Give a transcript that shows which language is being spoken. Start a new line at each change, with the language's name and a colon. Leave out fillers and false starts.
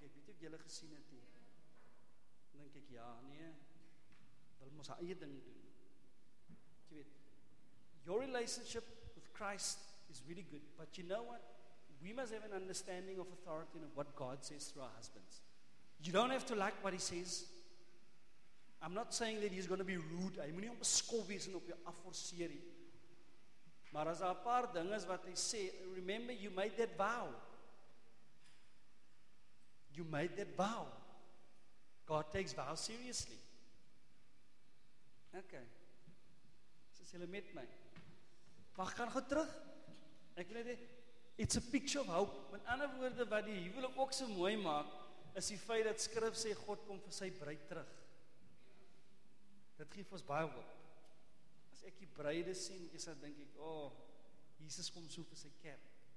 Afrikaans: Ek weet nie of julle gesien het nie. Dan denk ek, ja, nee, wil mos haar eie ding doen.
English: Je weet, your relationship with Christ is really good, but you know what? We must have an understanding of authority and of what God says through our husbands. You don't have to like what he says. I'm not saying that he's going to be rude.
Afrikaans: Hy moenie op skof wees en op jou afforceer nie. Maar as daar 'n paar dinge is wat hy sê,
English: remember you made that vow. You made that vow. God takes vows seriously. Okay.
Afrikaans: So sê hulle met my. Wag, gaan gou terug. Ek wil net hê
English: it's a picture of hope.
Afrikaans: Met ander woorde wat die huwelik ook so mooi maak, is die feit dat skrif sê God kom vir sy bruid terug. Dit gee ons baie hoop. As ek die bruide sien, ek sal dink ek, oh, Jesus kom so vir sy kerk.